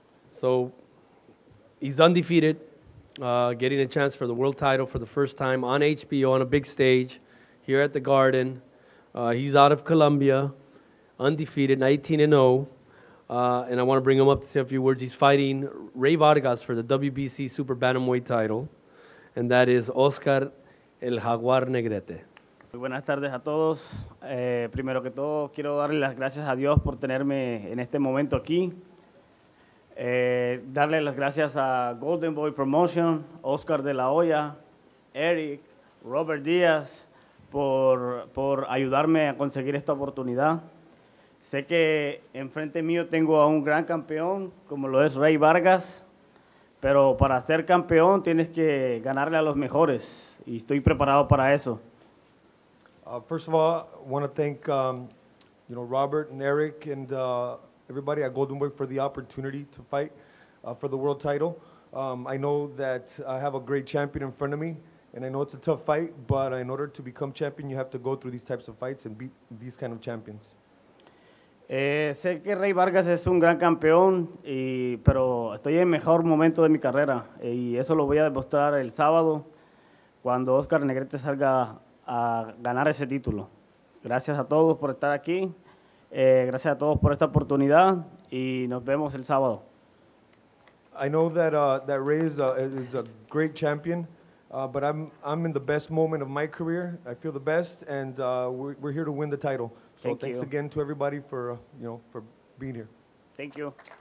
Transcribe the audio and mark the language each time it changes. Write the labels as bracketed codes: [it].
[en] So he's undefeated, getting a chance for the world title for the first time on HBO on a big stage here at the Garden. He's out of Colombia, undefeated, 19-0. And I want to bring him up to say a few words. He's fighting Ray Vargas for the WBC Super Bantamweight title, and that is Oscar El Jaguar Negrete. [es] Muy buenas tardes a todos. Primero que todo, quiero darle las gracias a Dios por tenerme en este momento aquí. Darle las gracias a Golden Boy Promotion, Oscar de la Hoya, Eric, Robert Díaz, por ayudarme a conseguir esta oportunidad. Sé que enfrente mío tengo a un gran campeón, como lo es Ray Vargas, pero para ser campeón tienes que ganarle a los mejores, y estoy preparado para eso. [en] First of all, I want to thank Robert and Eric and everybody at Golden Boy for the opportunity to fight for the world title. I know that I have a great champion in front of me, and I know it's a tough fight, but in order to become champion, you have to go through these types of fights and beat these kind of champions. [es] Sé que Ray Vargas es un gran campeón, pero estoy en mejor momento de mi carrera, y eso lo voy a demostrar el sábado cuando Oscar Negrete salga a ganar ese título. Gracias a todos por estar aquí. Gracias a todos por esta oportunidad y nos vemos el sábado. [en] I know that that Ray is a great champion, but I'm in the best moment of my career. I feel the best, and we're here to win the title. So thanks again to everybody for for being here. Thank you.